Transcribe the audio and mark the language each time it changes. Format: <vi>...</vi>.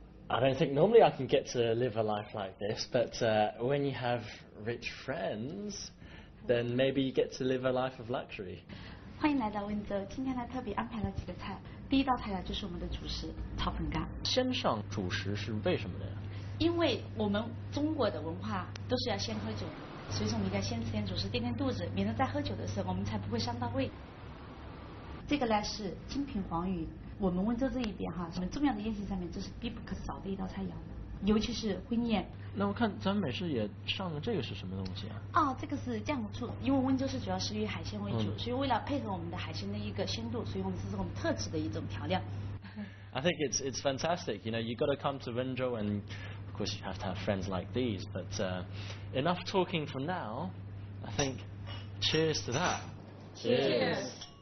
<en>I don't think normally I can get to live a life like this, but when you have rich friends, then maybe you get to live a life of luxury.</en> <zh>欢迎来到温州，今天呢特别安排了几个菜。第一道菜呢就是我们的主食炒粉干。先上主食是为什么的呀？因为我们中国的文化都是要先喝酒，所以说我们一定要先吃点主食垫垫肚子，免得在喝酒的时候我们才不会伤到胃。这个呢是精品黄鱼，我们温州这一边哈，我们重要的宴席上面这是必不可少的一道菜肴，尤其是婚宴。那我看咱们美食也上了，这个是什么东西啊？哦，这个是酱醋，因为温州是主要是以海鲜为主，所以为了配合我们的海鲜的一个鲜度，所以我们这是我们特制的一种调料。</zh> <en>I think it's fantastic. You know, you got to come to WENZHOU, and of course you have to have friends like these. But enough talking for now. I think cheers to that. Cheers.</en>